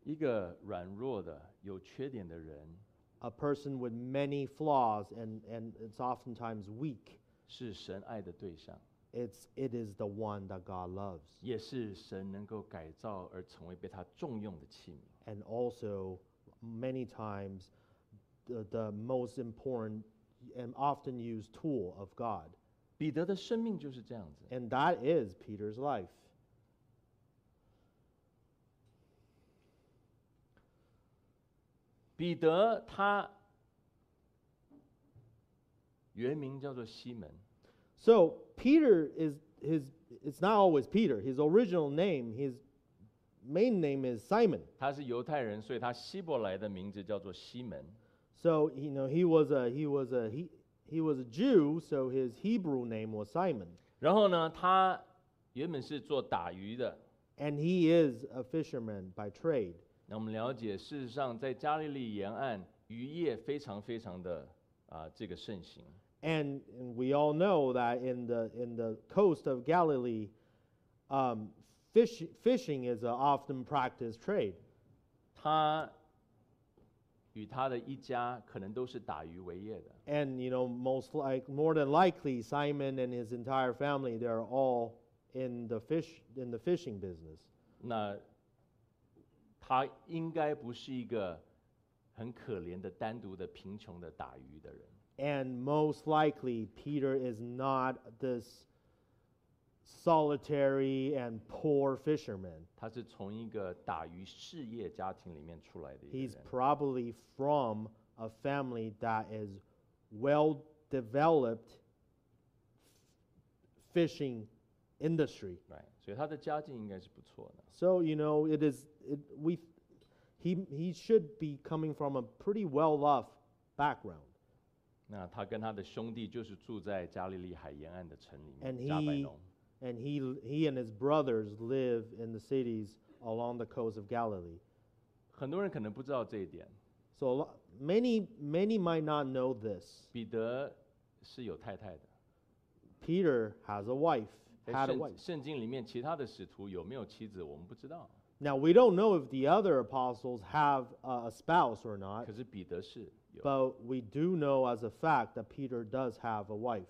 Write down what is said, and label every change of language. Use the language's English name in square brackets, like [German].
[Chinese] 一个软弱的，有缺点的人, [English] a person with many flaws and it's oftentimes weak. [Chinese] 是神爱的对象。 [English] It is the one that God loves. [Chinese] 也是神能够改造而成为被他重用的器皿。 [English] And also, many times, the most important and often used tool of God. [Chinese] 彼得的生命就是这样子。 [English] And that is Peter's life. [Chinese] 彼得他原名叫做西门。 [English] So Peter is his. It's not always Peter. His original name, his main name is Simon. [Chinese] 他是犹太人，所以他希伯来的名字叫做西门。 [English] So you know he was a Jew. So his Hebrew name was Simon. [Chinese] 然后呢，他原本是做打鱼的。 [English] And he is a fisherman by trade. [Chinese] 那我们了解，事实上在加利利沿岸渔业非常非常的这个盛行。 [English] And we all know that in the coast of Galilee, fishing is an often practiced trade. [Chinese] 他与他的一家可能都是打鱼为业的。 [English] And you know, more than likely, Simon and his entire family, they are all in the fishing business. [Chinese] 那他应该不是一个很可怜的、单独的、贫穷的打鱼的人。 [English] And most likely, Peter is not this solitary and poor fisherman. [Chinese] 他是从一个打鱼事业家庭里面出来的一个人。 [English] He's probably from a family that is well-developed fishing industry. Right. [Chinese] 所以他的家境应该是不错的。 [English] So, you know, he should be coming from a pretty well-off background. [Chinese] 那他跟他的兄弟就是住在加利利海沿岸的城里面，加百农。 [English] And he and his brothers live in the cities along the coast of Galilee. [Chinese] 很多人可能不知道这一点。 [English] So many might not know this. [Chinese] 彼得是有太太的。 [English] Peter has a wife. Had a wife. [Chinese] 圣经里面其他的使徒有没有妻子，我们不知道。 [English] Now we don't know if the other apostles have a spouse or not. [Chinese] 可是彼得是。 [English] But we do know as a fact that Peter does have a wife.